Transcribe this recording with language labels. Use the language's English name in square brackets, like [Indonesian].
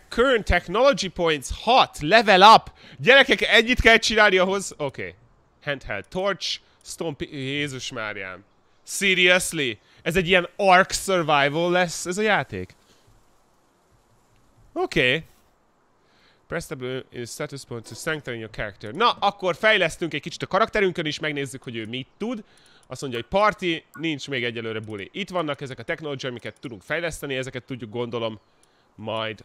[English] Current technology points 6, level up! [Hungarian] Gyerekek, ennyit kell csinálni ahhoz? Oké. [English] Okay. Handheld torch, stomp... [Hungarian] Jézus Máriám. [English] Seriously? [Hungarian] Ez egy ilyen Ark Survival lesz ez a játék? Oké. Okay. [English] Press the status point to strengthen your character. [Hungarian] Na, akkor fejlesztünk egy kicsit a karakterünkön is, megnézzük, hogy ő mit tud. Azt mondja, hogy party, nincs még egyelőre buli. Itt vannak ezek a technológiák, amiket tudunk fejleszteni, ezeket tudjuk, gondolom, majd.